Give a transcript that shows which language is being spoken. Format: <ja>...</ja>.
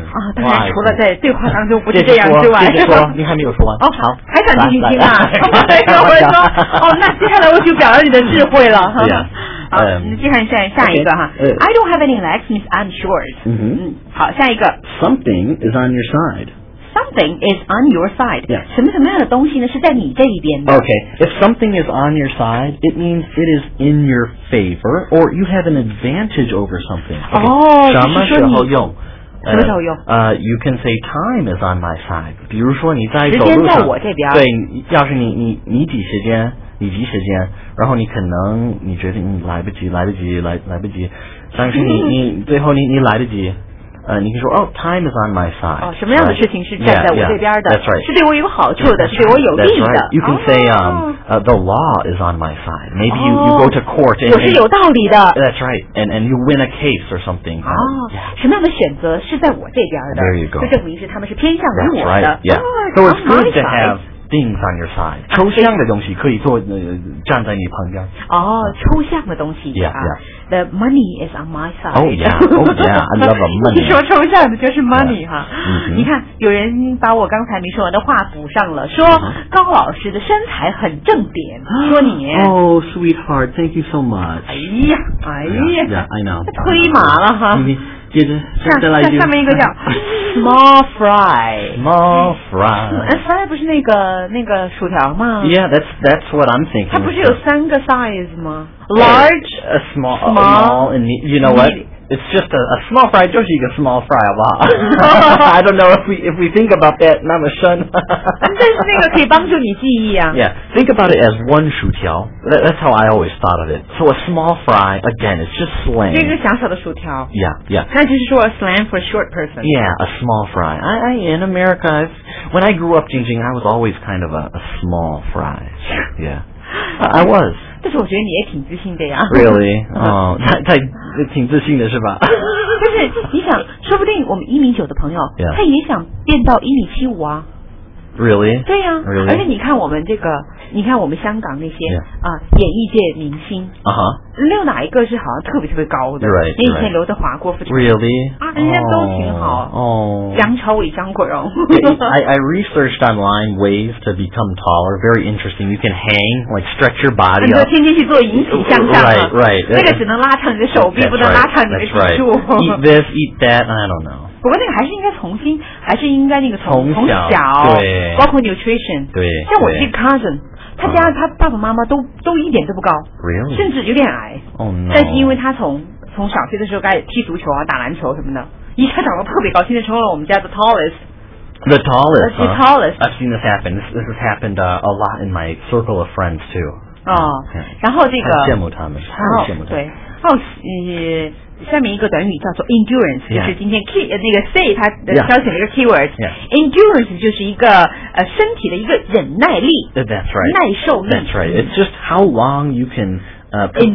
<zh>啊，当然除了在对话当中不是这样之外，接着说，你还没有说完。哦，好，还想继续听啊？我说，哦，那接下来我就表扬你的智慧了哈。</zh> <en>Yeah.</en> <zh>好，接下来下一个哈。</zh> <en>I don't have any legs, means I'm short.</en> <zh>好，下一个。</zh> <en>Something is on your side. Something is on your side. Yeah.</en> <zh>什么什么样的东西呢？是在你这一边的。</zh> <en>Okay. If something is on your side, it means it is in your favor or you have an advantage over something. Okay. Oh,</en> <zh>什么时候用？什么时候用？</zh> <en>You can say time is on my side.</en> <zh>比如说你在走路上。时间在我这边。对，要是你挤时间，你挤时间，然后你可能你觉得你来不及，来不及，但是你最后你来得及。你可以说</zh> <en>，Oh, time is on my side.</en> <zh>哦，什么样的事情是站在我这边的？</zh> <en>Yeah, that's right.</en> <zh>是对我有好处的，</zh> <en>yeah,</en> <zh>是对我有利的。</zh> <en>That's right. You can say, the law is on my side. Maybe you go to court.</en> <zh>我是有道理的。</zh> <en>That's right. And you win a case or something.</en> <zh>哦、什么样的选择是在我这边的？</zh> <en>There you go.</en> <zh>就证明是他们是偏向于我的。</zh> <en>That's right. Yeah. So it's good to have. Things on your side.</en> <zh>抽象的东西可以做、站在你旁边。哦、抽象的东西。</zh> <en>Yeah. The money is on my side. Oh yeah. I love the money.</en> <zh>你说抽象的就是 money 哈、</zh> <en>yeah. mm-hmm.。</en> <zh>你看，有人把我刚才没说完的话补上了，说高老师的身材很正点。 Mm-hmm. 说你。</zh> <en>Oh, sweetheart, thank you so much.</en> <zh>哎呀</zh> <en>yeah, I know.</en> <zh>推麻了哈。接着再来一句。下面一个叫small fry.</zh> <en>Small fry.</en> <zh>Fry 不是那个薯条吗？</zh> <en>Yeah, that's what I'm thinking.</en> <zh>它不是有三个 size 吗？</zh> <en>Large, small, and you know what? It's just a small fry,</en> <zh>就是一个 small fry, 好不好?</zh> <en>I don't know if we think about that,</en> <zh>那么深。但是那个可以帮助你记忆啊。</zh> <en>Yeah, think about it as one 薯条。 That's how I always thought of it. So a small fry, again, it's just slang.</en> <zh>这个小小的薯条。</zh> <en>Yeah, yeah.</en> <zh>那就是说</zh> <en>a slang for a short person. Yeah, a small fry. I, in America, when I grew up, Jingjing, I was always kind of a small fry. Yeah. I was.</en> <zh>但是我觉得你也挺自信的呀。</zh> <en>Really?</en> <zh>太挺自信的是吧？但是你想，说不定我们1米9的朋友，</zh> <en>yeah.</en> <zh>他也想变到1米75啊。</zh> <en>Really?</en> <zh>对呀、啊。</zh> <en>Really?</en> <zh>而且你看我们这个，你看我们香港那些、</zh> <en>yeah.</en> <zh>演艺界明星啊哈，没有哪一个是好像特别特别高的。</zh> <en>Right.</en> <zh>你以前刘德华、郭富城。</zh> <en>Really?</en> <zh>啊，人家都挺好。哦。梁朝伟、张国荣。</zh> <en>I researched online ways to become taller. Very interesting. You can hang, like stretch your body.</en> <zh>很多天天去做引体向上。</zh> <en>Right, right.</en> <zh>那个只能拉长你的手臂，不能拉长你的脊柱。</zh> <en>Eat this, eat that. I don't know.</en> <zh>不过那个还是应该重新，还是应该那个从小对，包括 nutrition，对，像我这个 cousin， 他家、他爸爸妈妈都一点都不高，</zh> <en>really?</en> <zh>甚至有点矮，</zh> <en>oh, no.</en> <zh>但是因为他从小学的时候该踢足球啊，打篮球什么的，一下长得特别高，现在成了我们家的 tallest。</zh> <en>The tallest. The tallest.、 I've seen this happen. This has happened、a lot in my circle of friends too.</en> <zh>然后这个太羡慕他们，太羡慕对。然后下面一个短语叫做 endurance、</zh> <en>yeah.</en> <zh>就是今天 key, 那个 say 它挑选了一个 keyword、</zh> <en>yeah. yeah.</en> <zh>endurance 就是一个、身体的一个忍耐力</zh> <en>That's right.</en> <zh>耐受力</zh> <en>That's right. It's just how long you can、perform</en>